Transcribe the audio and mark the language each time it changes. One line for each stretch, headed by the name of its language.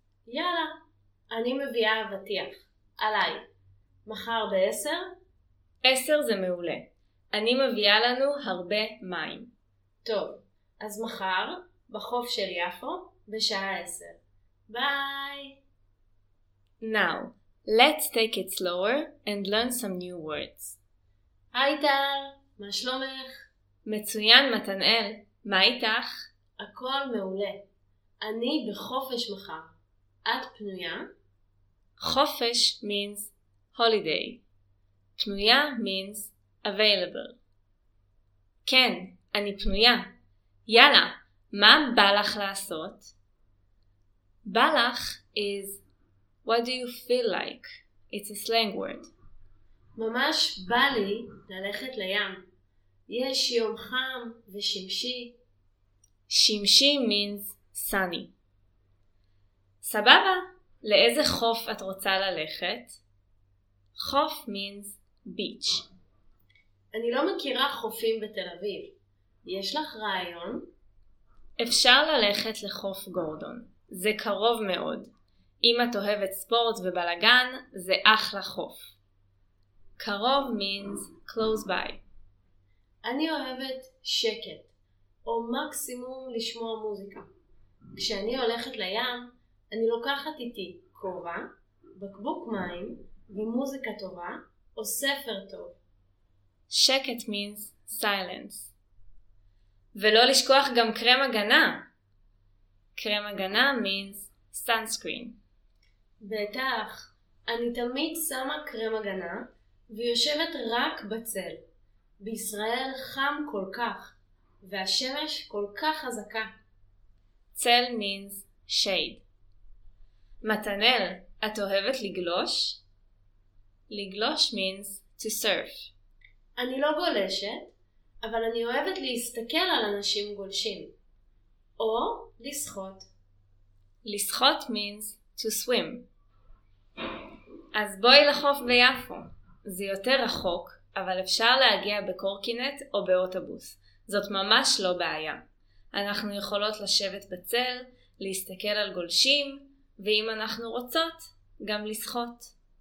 Hebrew: יאללה, אני מביאה אבטיח. עליי. מחר ב-10? 10 זה מעולה. אני מביאה לנו הרבה מים. טוב, אז מחר, בחוף של יפו, בשעה 10. ביי!
English: Now, let's take it slower and learn some new words.
Hebrew: היי טל, מה שלומך? מצוין, מתנאל. מה איתך? הכל מעולה. אני בחופש מחר. את פנויה?
English: חופש means holiday. פנויה means available.
Hebrew: כן, אני פנויה. יאללה, מה בא לך לעשות?
English: בא לך is what do you feel like? It's a slang word.
Hebrew: ממש בא לי ללכת לים. יש יום חם ושמשי. שמשי
English: means סני.
Hebrew: סבבה, לאיזה חוף את רוצה ללכת?
English: חוף means beach.
Hebrew: אני לא מכירה חופים בתל אביב. יש לך רעיון? אפשר ללכת לחוף גורדון. זה קרוב מאוד. אם את אוהבת ספורט ובלגן, זה אחלה חוף.
English: קרוב means close by.
Hebrew: אני אוהבת שקט, או מקסימום לשמוע מוזיקה. כשאני הולכת לים, אני לוקחת איתי כובע, בקבוק מים, ומוזיקה טובה, או ספר טוב.
English: שקט means silence.
Hebrew: ולא לשכוח גם קרם הגנה.
English: קרם הגנה means sunscreen.
Hebrew: בטח, אני תמיד שמה קרם הגנה, ויושבת רק בצל. בישראל חם כל כך, והשמש כל כך חזקה. צל
English: means shade.
Hebrew: מתנאל, את אוהבת לגלוש?
English: לגלוש means to surf.
Hebrew: אני לא גולשת, אבל אני אוהבת להסתכל על אנשים גולשים. או לשחות.
English: לשחות means to swim.
Hebrew: אז בואי לחוף ביפו. זה יותר רחוק, אבל אפשר להגיע בקורקינט או באוטובוס. זאת ממש לא בעיה. אנחנו יכולות לשבת בצל, להסתכל על גולשים, ואם אנחנו רוצות, גם לשחות.